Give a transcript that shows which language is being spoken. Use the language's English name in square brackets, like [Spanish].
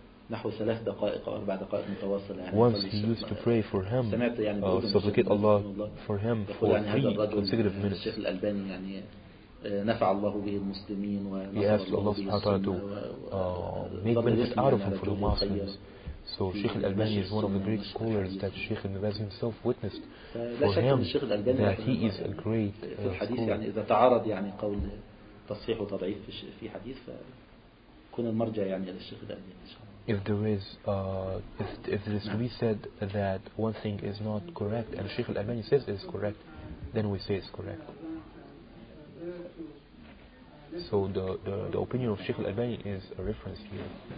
[Arabic] نحو ثلاث دقائق أو أربع دقائق متواصلة. [English] Once he used to pray for him, supplicate Allah for him for three consecutive minutes. [Arabic] الشيخ الألباني يعني نفع الله به المسلمين [English] He asked Allah سبحانه وتعالى to make benefit out of him for the Muslims. So Sheikh Al-Albani is one of the great scholars that Sheikh Ibn Baz himself witnessed for him that he is a great scholar. [Arabic] يعني إذا تعارض يعني قول تصحيح وتضعيف في حديث فكون المرجع يعني للشيخ الألباني إن شاء الله. [English] If there is, if it is to be said that one thing is not correct and Sheikh Al-Albani says it is correct, then we say it's correct. So the opinion of Sheikh Al-Albani is a reference here.